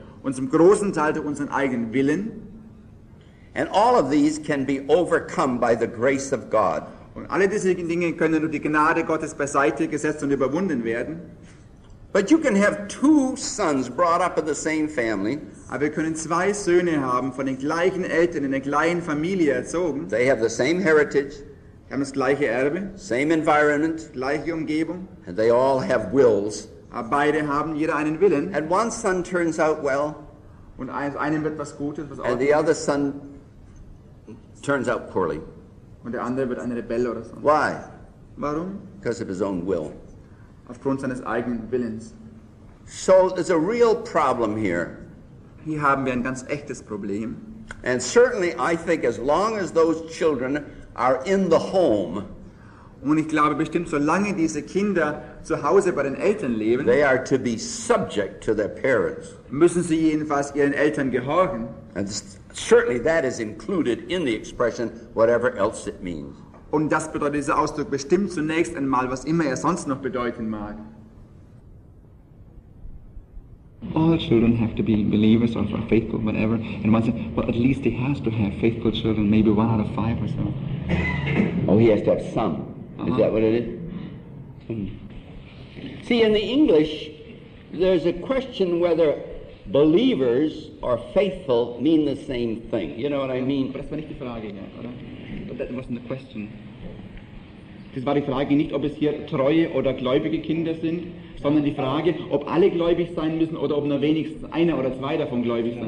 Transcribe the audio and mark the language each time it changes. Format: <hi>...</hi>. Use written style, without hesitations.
<de>Und zum großen Teil durch unseren eigenen Willen.</de> <en>And all of these can be overcome by the grace of God.</en> <de>Und alle diese Dinge können durch die Gnade Gottes beiseite gesetzt und überwunden werden.</de> <en>But you can have two sons brought up in the same family.</en> <de>Aber wir können zwei Söhne haben, von den gleichen Eltern in der gleichen Familie erzogen.</de> <en>They have the same heritage.</en> <de>Sie haben das gleiche Erbe.</de> <en>Same environment.</en> <de>Gleiche Umgebung.</de> <en>And they all have wills.</en> <de>Aber beide haben jeder einen Willen.</de> <en>And one son turns out well.</en> <de>Und einem wird was Gutes, was auch.</de> <en>And the other son turns out poorly.</en> <de>Und der andere wird ein Rebell oder so.</de> <en>Why?</en> <de>Warum?</de> <en>Because of his own will.</en> <de>Aufgrund seines eigenen Willens.</de> <en>So there's a real problem here.</en> <de>Hier haben wir ein ganz echtes Problem.</de> <en>And certainly I think as long as those children are in the home.</en> <de>Und ich glaube bestimmt, solange diese Kinder zu Hause bei den Eltern leben.</de> <en>They are to be subject to their parents.</en> <de>Müssen sie jedenfalls ihren Eltern gehorchen.</de> <en>And certainly that is included in the expression, whatever else it means.</en> <de>Und das bedeutet dieser Ausdruck bestimmt zunächst einmal, was immer er sonst noch bedeuten mag.</de> <en>All the children have to be believers or faithful, whatever. And one says, well, at least he has to have faithful children, maybe one out of five or so. Oh, he has to have some. Uh-huh. Is that what it is? See, in the English, there's a question whether believers or faithful mean the same thing. You know what I mean?</en> <de>Das war nicht die Frage, oder?</de> <en>That wasn't the question.</en> <de>Das war die Frage nicht, ob es hier treue oder gläubige Kinder sind, sondern die Frage, ob alle gläubig sein müssen oder ob nur wenigstens einer oder zwei davon gläubig sein</de>